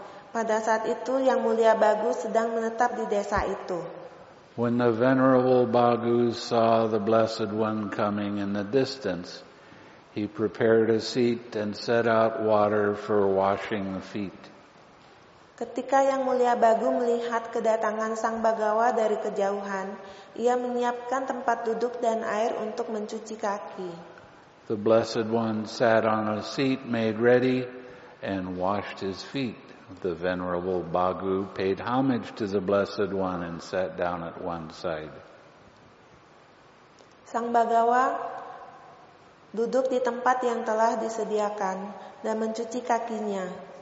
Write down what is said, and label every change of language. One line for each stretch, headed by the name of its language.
Indonesian: Pada saat itu, Yang Mulia Bhagu sedang menetap di desa itu.
English: When the Venerable Bhagu saw the Blessed One coming in the distance, he prepared a seat and set out water for washing the feet.
Indonesian: Ketika Yang Mulia Bhagu melihat kedatangan Sang Bhagawa dari kejauhan, ia menyiapkan tempat duduk dan air untuk mencuci kaki.
English: The Blessed One sat on a seat made ready and washed his feet. The Venerable Bhagu paid homage to the Blessed One and sat down at one side.
Indonesian: Sang Bhagawa duduk di tempat yang telah disediakan dan mencuci kakinya.